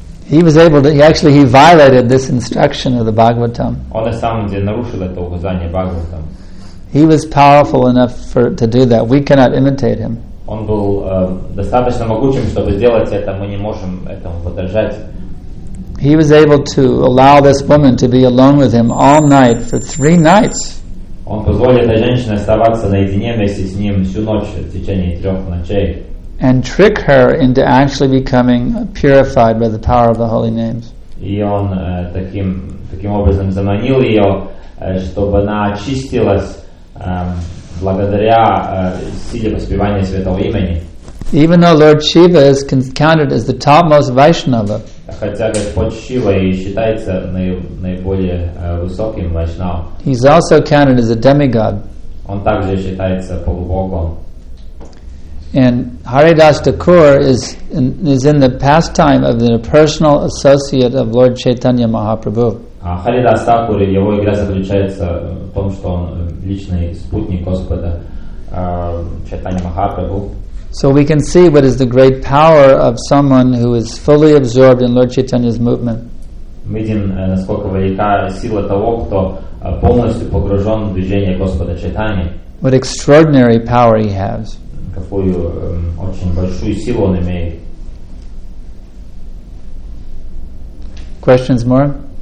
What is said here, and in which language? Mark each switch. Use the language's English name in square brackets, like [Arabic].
[English] He violated this instruction of the Bhagavatam. [Russian] Он на самом деле нарушил это указание Бхагаватам. [English] He was powerful enough to do that. We cannot imitate him. [Russian] Он был достаточно могучим, чтобы сделать это. Мы не можем этому подражать. [English] He was able to allow this woman to be alone with him all night for three nights. [Russian] Он позволил этой женщине оставаться наедине вместе с ним всю ночь в течение трех ночей. [English] And trick her into actually becoming purified by the power of the holy names. [Russian] И он таким образом заманил ее, чтобы она очистилась благодаря силе воспевания святого имени. [English] Even though Lord Shiva is counted as the topmost Vaishnava. [Russian] Хотя Господь Шива и считается наиболее высоким Вайшнава. [English] He's also counted as a demigod. [Russian] Он также считается полубогом. [English] And Haridas Thakur is in the pastime of the personal associate of Lord Chaitanya Mahaprabhu. [Russian] Haridas Thakur, его игра заключается в том, что он личный спутник Господа Чайтанья Махапрабху. [English] So we can see what is the great power of someone who is fully absorbed in Lord Chaitanya's movement. [Russian] Мы видим, насколько велика сила того, кто полностью погружен в движение Господа Чайтанья. [English] What extraordinary power he has. [Russian] Какую очень большую силу он имеет. [English] Questions more?